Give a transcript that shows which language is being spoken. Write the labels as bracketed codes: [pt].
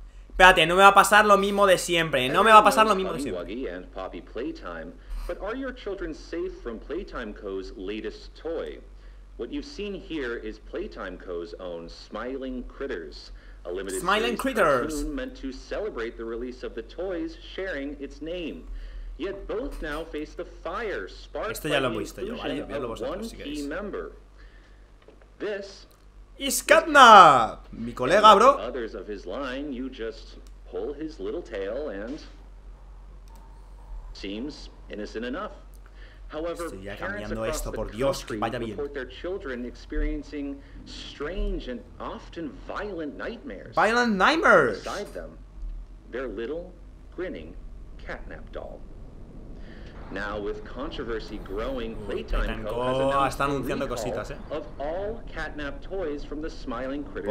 [es] Espérate, no me va a pasar lo mismo de siempre. [en] But are your children safe from Playtime Co.'s latest toy? What you've seen here is Playtime Co.'s own Smiling Critters, a limited Smiling Critters meant to celebrate the release of the toys sharing its name. Yet both now face the fire sparked by the inclusion of one key member. This. Is Catnap, [es] mi colega, [en] bro. Others of his line, you just pull his little tail and seems innocent enough. However, [es] estoy cambiando esto, por Dios, que vaya bien. [en] Report their children experiencing strange and often violent nightmares. Violent nightmares. Beside them, their little grinning Catnap doll. Now with controversy growing, Playtime Co. has announced the recall of all Catnap toys from the Smiling Critters.